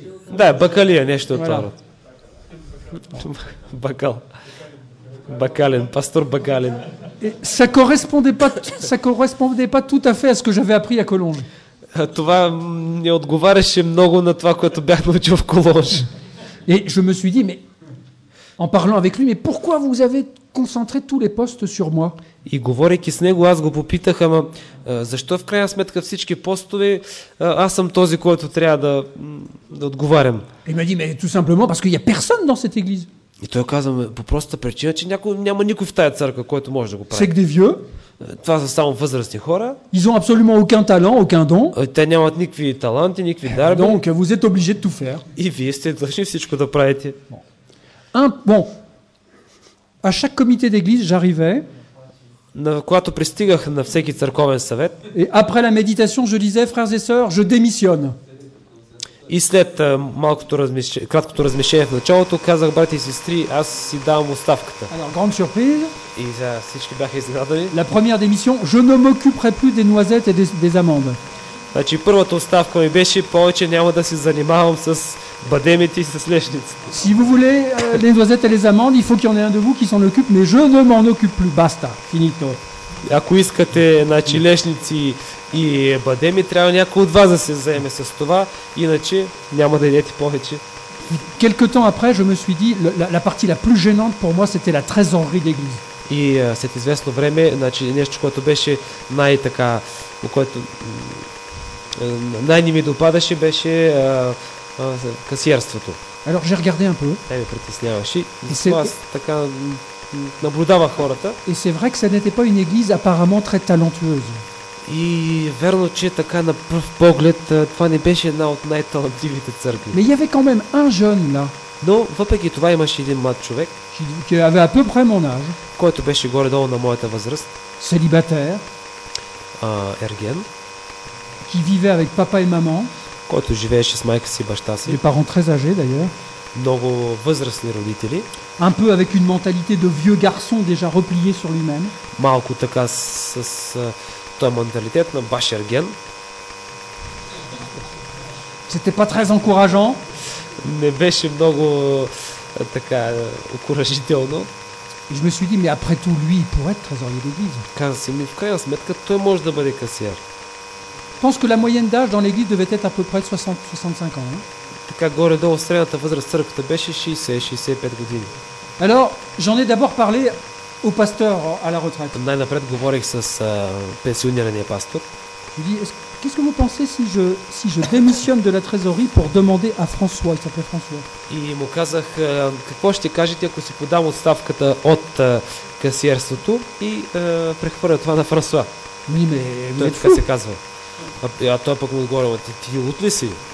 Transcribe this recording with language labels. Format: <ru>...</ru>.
<bg>Да, бакалия, нещо от това. Бакал. Бакалин, пастор Бакалин.</bg> <fr>Ça correspondait pas, ça correspondait pas tout à fait à ce que j'avais appris à Колонж.</fr> <bg>Това не отговаряше много на това, което бях научил в Колонж.</bg> <fr>Et je me suis dit, mais en parlant avec lui, mais pourquoi vous avez concentré tous les postes sur moi?</fr> <bg>И говорейки с него, аз го попитах, ама защо в крайна сметка всички постове аз съм този, който трябва да, да отговарям?</bg> <fr>Il m'a dit, mais tout simplement parce qu'il y a personne dans cette église.</fr> <bg>И той каза по простата причина, че няко, няма никой в тая църква, който може да го прави.</bg> <fr>C'est que des vieux.</fr> <bg>Това са само възрастни хора.</bg> <fr>Ils ont absolument aucun talent, aucun don.</fr> <bg>Те нямат никакви таланти, никакви дарби.</bg> <fr>Donc, vous êtes obligé de tout faire.</fr> <bg>И вие сте длъжни всичко да правите.</bg> <fr>Bon. À chaque comité d'église, j'arrivais.</fr> <bg>На когато пристигах на всеки църковен съвет.</bg> <fr>Et après la méditation, je disais, frères et sœurs, je démissionne.</fr> <bg>И след малкото размишление, краткото размишление в началото, казах, брати и сестри, аз си давам оставката.</bg> <fr>Alors, grande surprise.</fr> <bg>И за всички бяха изненадани.</bg> <fr>La première démission, je ne m'occuperai plus des noisettes et des amandes.</fr> <bg>Значи първата оставка ми беше, повече няма да се занимавам с бадемите и с лешниците.</bg> <fr>Si vous voulez les noisettes et les amandes, il faut qu'il y en ait un de vous qui s'en occupe, mais je ne m'en occupe plus.</fr> <it>Basta, finito.</it> <bg>Ако искате, значи лешници и бадеми, трябва някой от вас да се заеме с това, иначе няма да идете повече.</bg> <fr>Quelque temps après, je me suis dit la partie la plus gênante pour moi, c'était la trésorerie d'église.</fr> <bg>И след известно време, значи нещо, което беше най-така, което най-не ми допадаше, беше касиерството.</bg> <fr>Alors j'ai regardé un peu.</fr> <bg>Тя ме притесняваше. Аз така наблюдавах хората.</bg> <fr>Et c'est vrai que ça n'était pas une église apparemment très talentueuse.</fr> <bg>И верно, че така на пръв поглед това не беше една от най-талантливите църкви.</bg> <fr>Mais il y avait quand même un jeune là.</fr> <bg>Но въпреки това имаше един млад човек.</bg> <fr>Qui avait à peu près mon âge.</fr> <bg>Който беше горе-долу на моята възраст.</bg> <fr>Célibataire.</fr> <bg>Ерген.</bg> <fr>Qui vivait avec papa et maman.</fr> <bg>Който живееше с майка си и баща си.</bg> <fr>Des parents très âgés d'ailleurs.</fr> <bg>Много възрастни родители.</bg> <fr>Un peu avec une mentalité de vieux garçon déjà replié sur lui-même.</fr> <bg>Малко така с този менталитет на баш Ерген.</bg> <fr>C'était pas très encourageant.</fr> <bg>Не беше много така окуражително.</bg> <fr>Et je me suis dit, mais après tout, lui, il pourrait être trésorier d'église.</fr> <bg>Каза си ми, в крайна сметка, той може да бъде касиер.</bg> <fr>Je pense que la moyenne d'âge dans l'église devait être à peu près 60-65 ans.</fr> <bg>Така горе-долу средната възраст в църквата беше 60-65 години.</bg> <fr>Alors, j'en ai d'abord parlé au pasteur à la retraite.</fr> <bg>Най-напред говорих с пенсионирания пастор.</bg> <fr>Je lui dis, qu'est-ce que vous pensez si je démissionne de la trésorerie pour demander à François, il s'appelle François.</fr> <bg>И му казах, какво ще кажете, ако си подам отставката от касиерството и прехвърля това на Франсуа.</bg> <fr>Mais</fr> <bg>той така се казва. А той пък му отговорил, ти лут ли си?</bg>